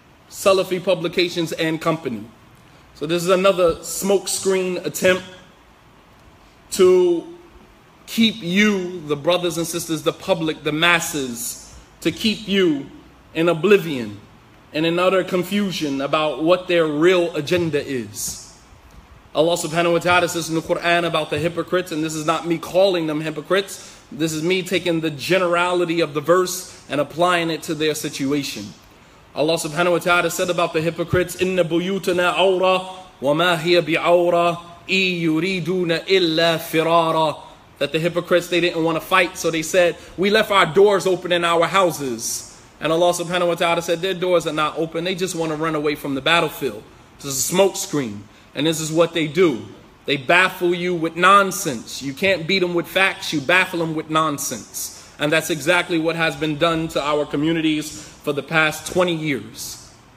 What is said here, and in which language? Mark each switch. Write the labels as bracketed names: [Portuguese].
[English] Salafi Publications and Company. So this is another smokescreen attempt to keep you, the brothers and sisters, the public, the masses, to keep you in oblivion and in utter confusion about what their real agenda is. Allah subhanahu wa ta'ala says in the Quran about the hypocrites, and this is not me calling them hypocrites, this is me taking the generality of the verse and applying it to their situation. Allah subhanahu wa ta'ala said about the hypocrites, [Arabic] إِنَّ بُيُوتَنَا عَوْرَةً وَمَا هِيَ بِعَوْرَةٍ إِي يُرِيدُونَ إِلَّا فِرَارًا. [English] That the hypocrites, they didn't want to fight, so they said, we left our doors open in our houses. And Allah subhanahu wa ta'ala said, their doors are not open, they just want to run away from the battlefield. This is a smoke screen, and this is what they do. They baffle you with nonsense. You can't beat them with facts, you baffle them with nonsense. And that's exactly what has been done to our communities for the past 20 years.